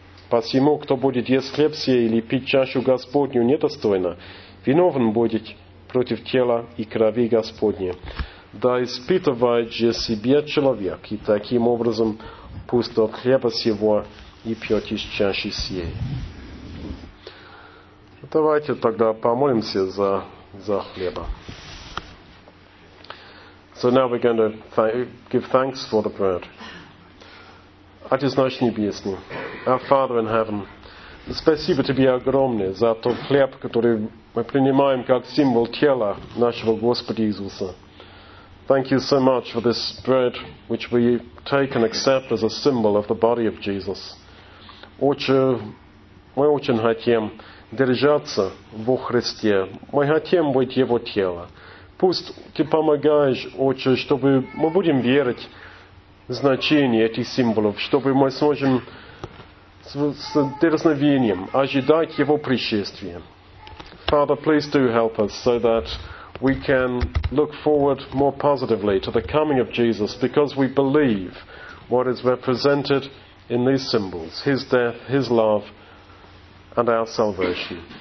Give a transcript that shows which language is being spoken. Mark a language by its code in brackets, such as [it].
[ru] Посему, кто будет есть хлеб сие или пить чашу Господню недостойно, виновен будет против тела и крови Господней». Да испытывает же себе человек, и таким образом пусть от хлеба сего и пьет из чаши сей. Давайте тогда помолимся за хлеба. [en] So now we're going to give thanks for the bread. [ru] Отец наш небесный, [en] our Father in heaven, [ru] спасибо Тебе огромное за тот хлеб, который мы принимаем как символ тела нашего Господа Иисуса. [en] Thank you so much for this bread which we take and accept as a symbol of the body of Jesus. [ru] Отче, мы очень хотим держаться во Христе. Мы хотим быть Его телом. Пусть Ты помогаешь, Отче, чтобы мы будем верить в значение этих символов, чтобы мы сможем с дерзновением ожидать Его пришествия. [en] Father, please do help us so that we can look forward more positively to the coming of Jesus because we believe what is represented in these symbols, His death, His love, and our salvation.